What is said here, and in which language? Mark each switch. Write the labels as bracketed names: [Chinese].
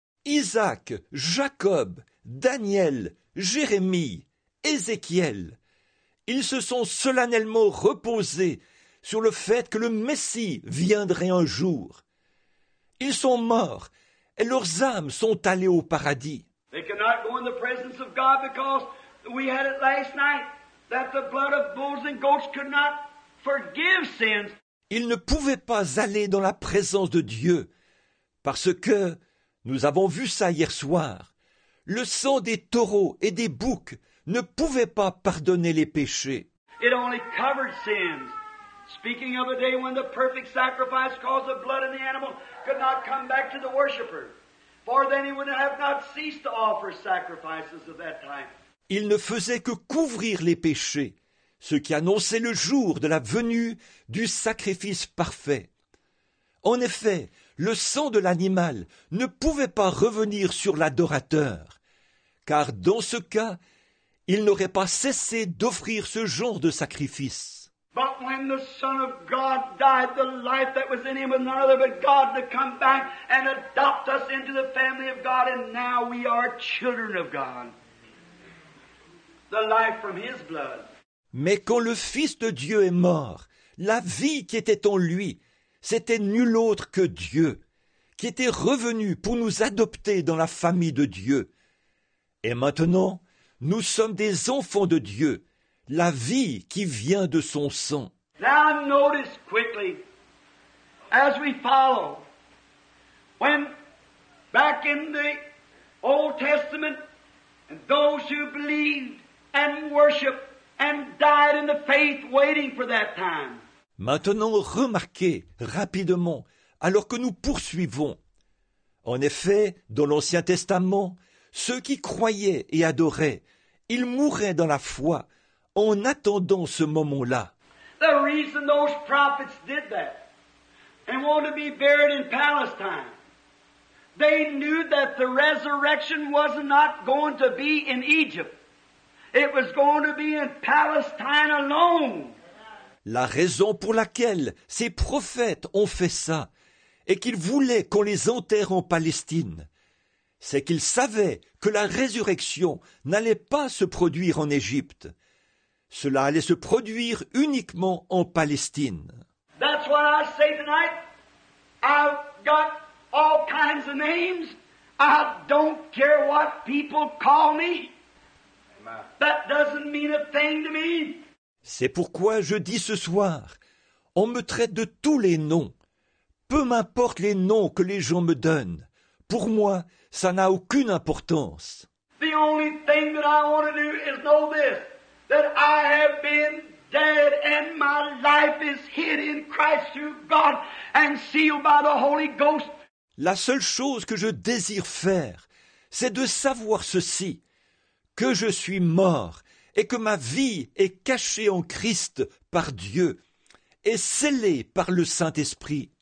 [French] Isaac, Jacob, Daniel, Jérémie, Ézéchiel, ils se sont solennellement reposés sur le fait que le Messie viendrait un jour. Ils sont morts, et leurs âmes sont allées au paradis. [English] They cannot go in the presence of God because we had it last night that the blood of bulls and goats could not forgive sins. [French] Ils ne pouvaient pas aller dans la présence de Dieu parce que nous avons vu ça hier soir. Le sang des taureaux et des boucs ne pouvait pas pardonner les péchés. [English] It only covered sins. Speaking of a day when the perfect sacrifice caused the blood of the animal could not come back to the worshipper, for then he would have not ceased to offer sacrifices of that time. [French] Il ne faisait que couvrir les péchés, ce qui annonçait le jour de la venue du sacrifice parfait. En effet, le sang de l'animal ne pouvait pas revenir sur l'adorateur, car dans ce cas, il n'aurait pas cessé d'offrir ce genre de sacrifice. [English] But when the Son of God died, the life that was in him was none other but God to come back and adopt us into the family of God, and now we are children of God. The life from his blood. [French] Mais quand le Fils de Dieu est mort, la vie qui était en lui, c'était nul autre que Dieu, qui était revenu pour nous adopter dans la famille de Dieu. Et maintenant, nous sommes des enfants de Dieu, la vie qui vient de son sang. [English] Now notice quickly, as we follow, when back in the Old Testament, and those who believed and worshiped and died in the faith waiting for that time. [French] Maintenant, remarquez rapidement, alors que nous poursuivons. En effet, dans l'Ancien Testament, ceux qui croyaient et adoraient, ils mouraient dans la foi en attendant ce moment-là. [English] The reason those prophets did that and wanted to be buried in Palestine, they knew that the resurrection was not going to be in Egypt. It was going to be in Palestine alone. [French] La raison pour laquelle ces prophètes ont fait ça et qu'ils voulaient qu'on les enterre en Palestine, c'est qu'ils savaient que la résurrection n'allait pas se produire en Égypte. Cela allait se produire uniquement en Palestine. [English] That's what I say tonight. I've got all kinds of names. I don't care what people call me. That doesn't mean a thing to me. [French] C'est pourquoi je dis ce soir, on me traite de tous les noms. Peu m'importe les noms que les gens me donnent. Pour moi, ça n'a aucune importance. [English] The only thing that I want to do is know this, that I have been dead and my life is hid in Christ through God and sealed by the Holy Ghost. [French] La seule chose que je désire faire, c'est de savoir ceci, que je suis mort et que ma vie est cachée en Christ par Dieu et scellée par le Saint-Esprit.